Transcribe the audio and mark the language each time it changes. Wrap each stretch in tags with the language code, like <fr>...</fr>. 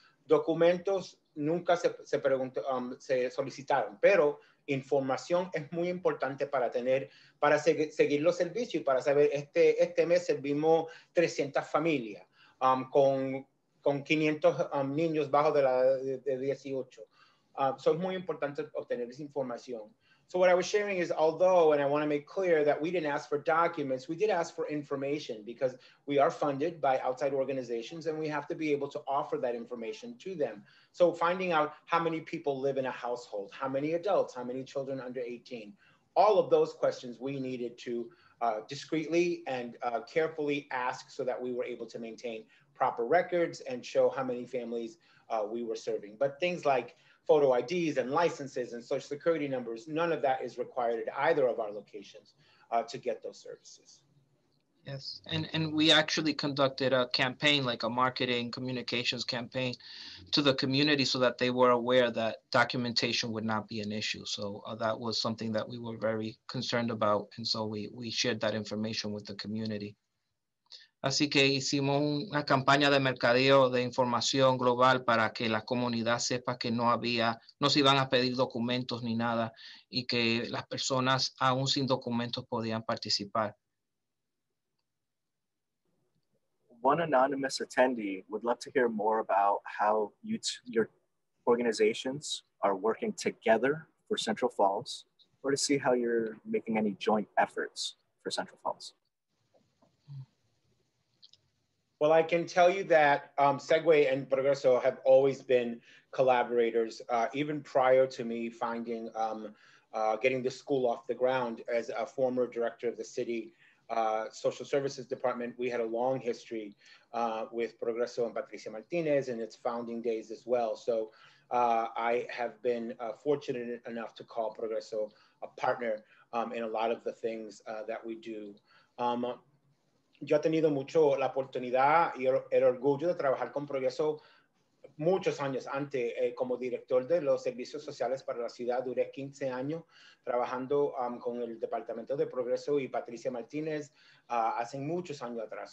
<es>Documentos nunca se solicitaron, pero información es muy importante para tener, para seguir los servicios y para saber, este mes servimos 300 familias con 500 niños bajo de la de 18. So es muy importante obtener esa información.</es> <en>So what I was sharing is, although, and I want to make clear that we didn't ask for documents, we did ask for information because we are funded by outside organizations and we have to be able to offer that information to them. So finding out how many people live in a household, how many adults, how many children under 18, all of those questions we needed to discreetly and carefully ask so that we were able to maintain proper records and show how many families we were serving. But things like photo IDs and licenses and social security numbers, none of that is required at either of our locations to get those services. Yes, and we actually conducted a campaign, like a marketing communications campaign to the community so that they were aware that documentation would not be an issue. So that was something that we were very concerned about. And so we shared that information with the community.</en> <es>Así que hicimos una campaña de mercadeo de información global para que la comunidad sepa que no se iban a pedir documentos ni nada y que las personas aún sin documentos podían participar.</es> <en>One anonymous attendee would love to hear more about how your organizations are working together for Central Falls or to see how you're making any joint efforts for Central Falls. Well, I can tell you that Segway and Progreso have always been collaborators, even prior to me finding, getting the school off the ground as a former director of the city social services department. We had a long history with Progreso and Patricia Martinez in its founding days as well. So I have been fortunate enough to call Progreso a partner in a lot of the things that we do.</en> <es>Yo he tenido mucho la oportunidad y el orgullo de trabajar con Progreso muchos años antes. Como director de los servicios sociales para la ciudad, duré 15 años trabajando con el Departamento de Progreso y Patricia Martínez hace muchos años atrás.</es>